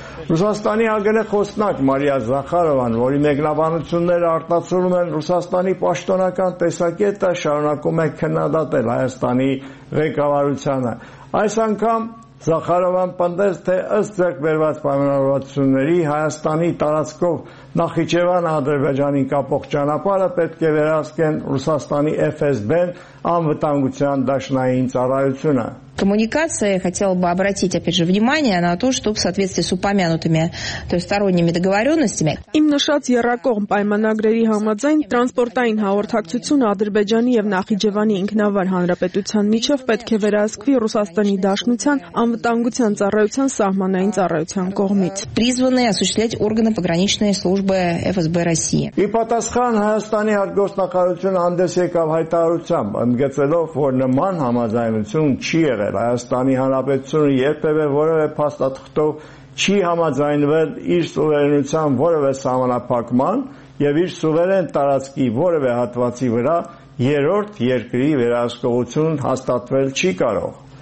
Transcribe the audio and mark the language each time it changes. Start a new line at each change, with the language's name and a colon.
Armenian: Ռուսաստանի ազգային խոսնակ Մարիա Զախարովան, որի մեկնաբանությունները արտացոլում են Ռուսաստանի պաշտոնական տեսակետը շարունակում է քննադատել Հայաստանի ղեկավարությանը։ Այս անգամ Զախարովան պնդեց, թե ըստ ձեռքբերված պայմանավորվածությունների Հայաստանի տարածքով Նախիջևանը Ադրբեջանի կապող ճանապարհը պետք է վերահսկեն Ռուսաստանի ՖՍԲ-ն անվտանգության դաշնային ծառայությունը։
Russian: Коммуникация, хотела бы обратить, опять же, внимание на то, что в соответствии с упомянутыми, то есть сторонними договоренностями.
Armenian: Իմ նշած երակողմ պայմանագրերի համաձայն տրանսպորտային հաղորդակցությունը Ադրբեջանի և Նախիջևանի ինքնավար հանրապետության միջով պետք է վերահսկվի Ռուսաստանի Դաշնության անվտանգության ծառայության սահմանային ծառայության կողմից.
Russian: Призваны осуществлять органы пограничной службы ФСБ России.
Armenian: И պատասխան Հայաստանի արտգործնախարարությունը հանդես եկավ հայտարարությամբ, ընդգծելով, որ նման համաձայնություն չի եղել, Հայաստանի Հանրապետությունը երբևէ որևէ փաստաթղթով չի համաձայնվել իր սուվերենության որևէ սահմանափակման և իր սուվերեն տարածքի որևէ հատվածի վրա երրորդ երկրի վերահսկողություն հաստատվել չի կարող,